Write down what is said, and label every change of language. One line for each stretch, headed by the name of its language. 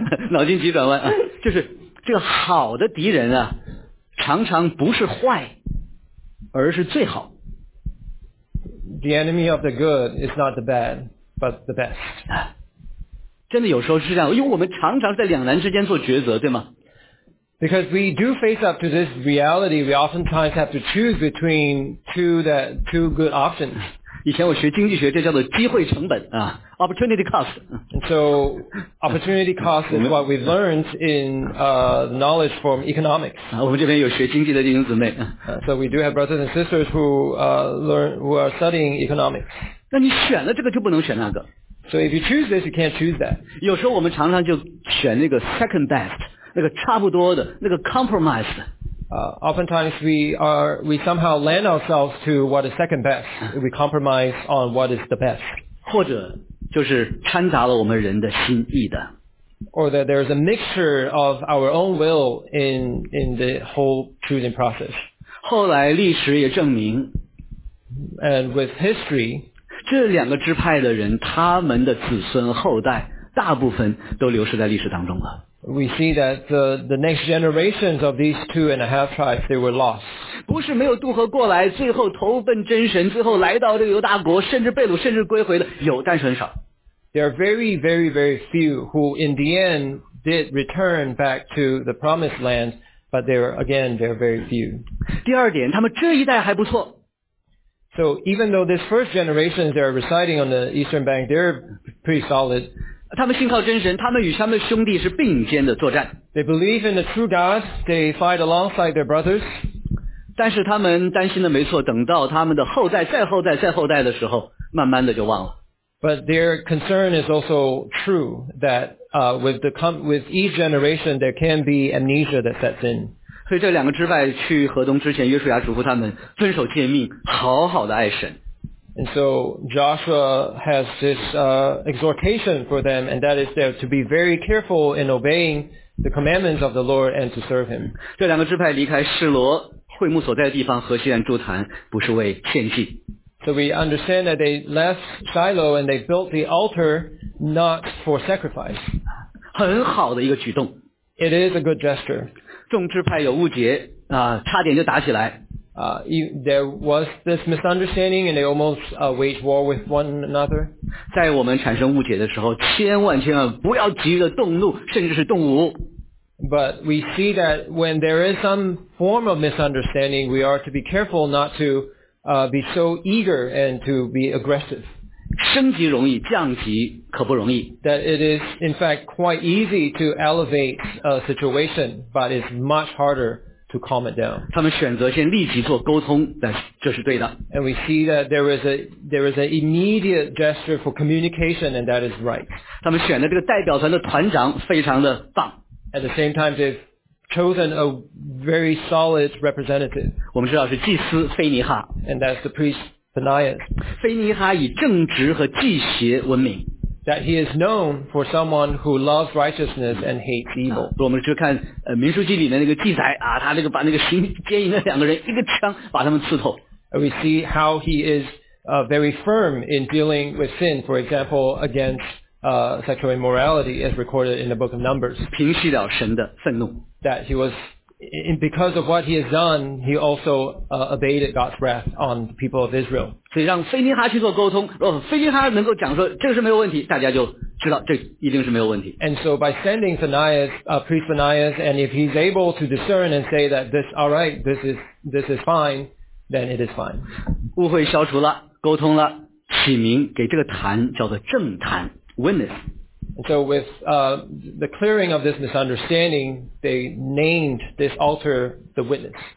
Chinese: 脑筋急转弯啊，就是这个好的敌人啊，常常不是坏，而是最好。
English: The enemy of the good is not the bad, but the best.
Chinese: 真的有时候是这样，因为我们常常在两难之间做抉择，对吗？
English: Because we do face up to this reality, we oftentimes have to choose between two good options.
Chinese: 以前我学经济学，这叫做机会成本啊 ，
English: opportunity cost. And so, opportunity cost is what we've learned in knowledge from economics.
Chinese: 我们这边有学经济的弟兄姊妹。
English: So we do have brothers and sisters who are studying economics.
Chinese: 那你选了这个就不能选那个。
English: So if you choose this, you can't choose that.
Chinese: 有时候我们常常就选那个
English: second best.
Chinese: 那个差不多的，那个 compromise 的。
English: Oftentimes we somehow land ourselves to what is second best. We compromise on what is the best.
Chinese: 或者就是掺杂了我们人的心意的。
English: or that there's a mixture of our own will in the whole choosing process.
Chinese: 后来历史也证明,
English: and with history,
Chinese: 这两个支派的人,他们的子孙后代大部分都流失在历史当中了。
English: We see that the next generations of these two and a half tribes, they were lost.
Chinese: 不是没有渡河过来，最后投奔真神，最后来到这个犹大国，甚至被掳，甚至归回的，有，但是很少。
English: There are very, very, very few who in the end did return back to the promised land, but they're very few.
Chinese: 第二点，他们这一代还不错。
English: So even though this first generation, they're residing on the eastern bank, they're pretty solid.
Chinese: 他们信靠真神，他们与他们兄弟是并肩的作战。
English: They believe in the true God. They fight alongside their brothers.
Chinese: 但是他们担心的没错，等到他们的后代、再后代、再后代的时候，慢慢的就忘了。
English: But their concern is also true that with each generation there can be amnesia that sets in.
Chinese: 所以这两个支派去河东之前，约书亚嘱咐他们遵守诫命，好好的爱神。
English: And so Joshua has this exhortation for them, and that is there to be very careful in obeying the commandments of the Lord and to serve Him.
Chinese: 这两个支派离开示罗会幕所在的地方，河西岸筑坛，不是为献祭。
English: So we understand that they left Shiloh and they built the altar not for sacrifice.
Chinese: 很好的一个举动。
English: It is a good gesture.
Chinese: 众支派有误解啊，差点就打起来。
English: There was this misunderstanding and they almost waged war with one another.
Chinese: 在我们产生误解的时候，千万千万不要急着动怒，甚至是动武。
English: But we see that when there is some form of misunderstanding, we are to be careful not to be so eager and to be aggressive.
Chinese: 升级容易，降级可不容易。
English: That it is in fact quite easy to elevate a situation, but it's much harderTo calm it down.
Chinese: 他们选择先立即做沟通，但这是对的。
English: And we see that there is an immediate gesture for communication, and that is right.
Chinese: 他们选的这个代表团的团长非常的棒。
English: At the same time, they've chosen a very solid representative.
Chinese: 我们知道是祭司腓尼哈。
English: And that's the priest Phinehas.
Chinese: 腓尼哈以正直和祭邪闻名。
English: That he is known for someone who loves righteousness and hates evil.
Chinese: 我们去看民书记里面那个记载啊，他那个把那个行奸淫的两个人一个枪把他们刺透。
English: We see how he is very firm in dealing with sin, for example, against sexual immorality as recorded in the book of Numbers.
Chinese: 平息了神的愤怒。
English: That he was, because of what he has done, he also abated God's wrath on the people of Israel.
Chinese: 所以让腓尼哈去做沟通，若腓尼哈能够讲说这是没有问题，大家就知道这一定是没有问题。
English: And so by sending Phinehas, priest Phinehas, and if he's able to discern and say that this all right, this is fine, then it is fine.
Chinese: 误会消除了，沟通了，起名给这个坛叫做正坛 ，Witness.
English: And so with the clearing of this misunderstanding, they named this altar the Witness.